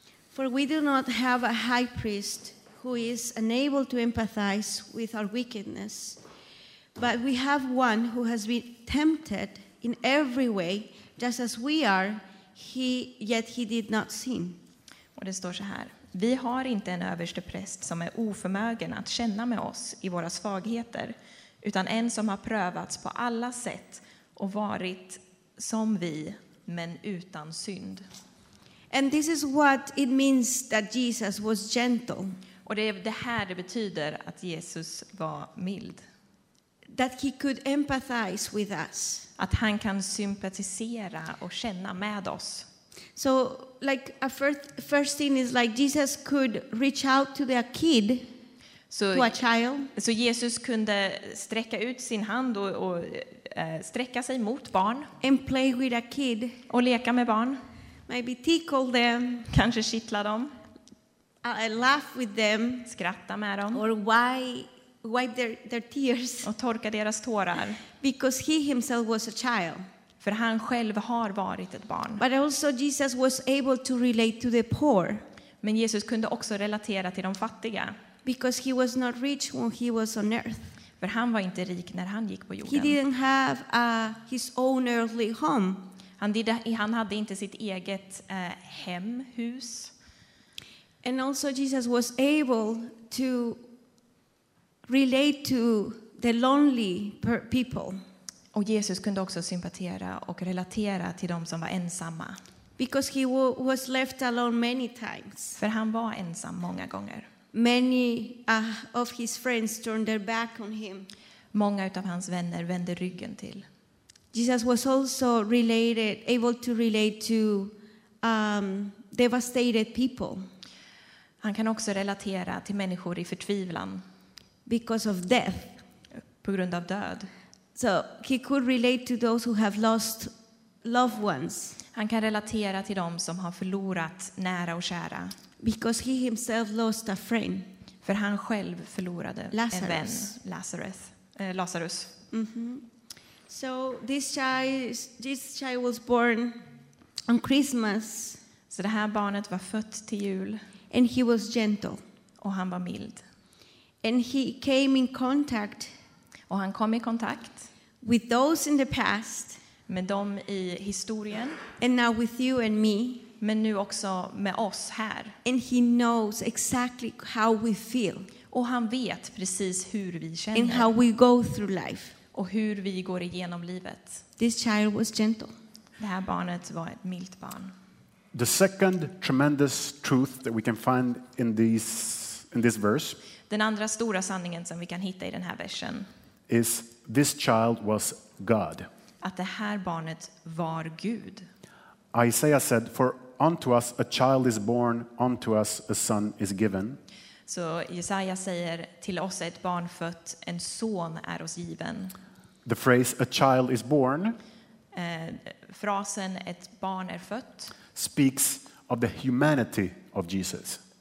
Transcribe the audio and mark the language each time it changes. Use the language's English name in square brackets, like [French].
[English] for we do not have a high priest who is unable to empathize with our wickedness. But we have one who has been tempted in every way, just as we are, yet he did not sin. [Swedish] Och det står så här. Vi har inte en överste präst som är oförmögen att känna med oss i våra svagheter, utan en som har prövats på alla sätt och varit som vi, men utan synd. [English] And this is what it means that Jesus was gentle. [Swedish] Och det är det här det betyder att Jesus var mild. [English] That he could empathize with us. [Swedish] Att han kan sympatisera och känna med oss. [English] So, like, a first thing is, like, Jesus could reach out to the kid, to a child. [Swedish] Så Jesus kunde sträcka ut sin hand och sträcka sig mot barn. [English] And play with a kid. [Swedish] Och leka med barn. [English] Maybe tickle them. [Swedish] Kanske kittla dem. [English] I laugh with them. [Swedish] Skratta med dem. [English] Or why? Wipe their tears. [Swedish] Och torka deras tårar. [English] Because he himself was a child. [Swedish] För han själv har varit ett barn. [English] But also Jesus was able to relate to the poor. [Swedish] Men Jesus kunde också relatera till de fattiga. [English] Because he was not rich when he was on earth. [Swedish] För han var inte rik när han gick på jorden. [English] He didn't have his own earthly home. [Swedish] Han hade inte sitt eget hem, hus. [English] And also Jesus was able to relate to the lonely people. [Swedish] Och Jesus kunde också sympatisera och relatera till de som var ensamma. [English] Because he was left alone many times. [Swedish] För han var ensam många gånger. [English] Many of his friends turned their back on him. [Swedish] Många utav hans vänner vände ryggen till. [English] Jesus was also able to relate to devastated people. [Swedish] Han kan också relatera till människor i förtvivlan. [English] Because of death. [Swedish] På grund av död. [English] So he could relate to those who have lost loved ones. [Swedish] Han kan relatera till dem som har förlorat nära och kära. [English] Because he himself lost a friend. [Swedish] För han själv förlorade Lazarus. En vän, Lazarus. Lazarus. Mm-hmm. [English] So this child was born on Christmas. [Swedish] Så det här barnet var fött till jul. [English] And he was gentle. [Swedish] Och han var mild. [English] And he came in contact. [Swedish] Och han kom i kontakt. [English] With those in the past. [Swedish] Med dem i historien. [English] And now with you and me. [Swedish] Men nu också med oss här. [English] And he knows exactly how we feel. [Swedish] Och han vet precis hur vi känner. [English] And how we go through life. [Swedish] Och hur vi går igenom livet. [English] This child was gentle. [Swedish] Det här barnet var ett milt barn. [English] The second tremendous truth that we can find in this verse. [Swedish] Den andra stora sanningen som vi kan hitta i den här versen. [English] Is this child was God. [Swedish] Att det här barnet var Gud. [English] Isaiah said, "For unto us a child is born, unto us a son is given." [Swedish] Så Jesaja säger, till oss ett barn fött, en son är oss given. [English] The phrase "a child is born." [Swedish] Frasen "ett barn är fött" [English] speaks of the humanity of Jesus.